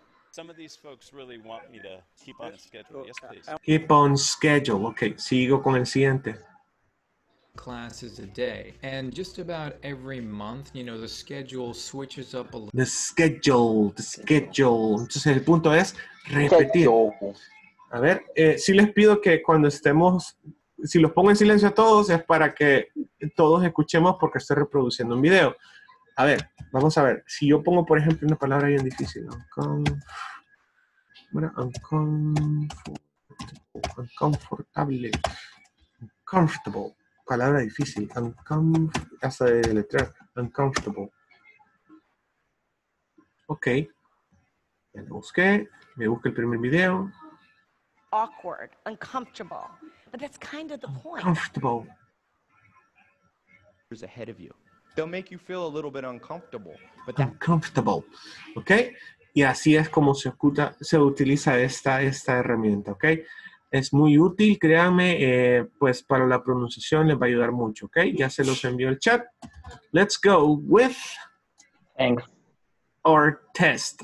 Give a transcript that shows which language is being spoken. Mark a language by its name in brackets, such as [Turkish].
[English] Some of these folks really want me to keep on schedule. Yes, please. Keep on schedule. [Spanish] Okay, sigo con el siguiente. [English] Classes a day. And just about every month, you know, the schedule switches up a little. The schedule. [Spanish] Entonces el punto es repetir. A ver, sí les pido que cuando estemos si los pongo en silencio a todos es para que todos escuchemos porque estoy reproduciendo un video. A ver, vamos a ver. Si yo pongo, por ejemplo, una palabra bien difícil. Uncomfortable. Uncomfortable. Palabra difícil. Hasta de letrar. Uncomfortable. Ok. Ya lo busqué. Me busqué el primer video. [English] Awkward. Uncomfortable. But that's kind of the point. Uncomfortable. There's ahead of you. They'll make you feel a little bit uncomfortable, but uncomfortable, okay? [Spanish] Y así es como se utiliza esta herramienta, okay? Es muy útil, créanme, pues para la pronunciación les va a ayudar mucho, okay? Ya se los envió el chat. [English] Let's go with our test.